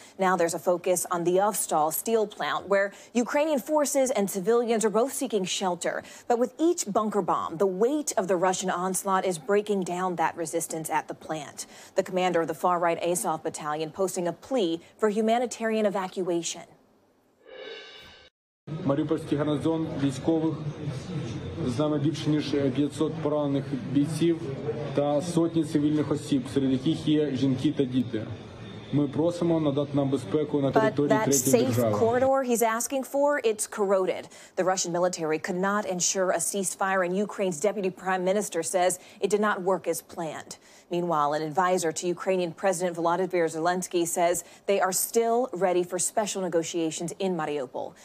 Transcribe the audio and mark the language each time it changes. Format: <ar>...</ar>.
<en>Now there's a focus on the Avtal steel plant, where Ukrainian forces and civilians are both seeking shelter. But with each bunker bomb, the weight of the Russian onslaught is breaking down that resistance at the plant. The commander of the far-right Azov battalion posting a plea for humanitarian evacuation.</en> <uk>Маріупольський гарнізон військових з нами більше ніж 500 поранених бійців та сотні цивільних осіб, серед яких є жінки та діти. Ми просимо надати нам безпеку на території третьої держави.</uk> <en>But that safe corridor he's asking for, it's corroded. The Russian military could not ensure a ceasefire, and Ukraine's deputy prime minister says it did not work as planned. Meanwhile, an advisor to Ukrainian President Volodymyr Zelensky says they are still ready for special negotiations in Mariupol.</en>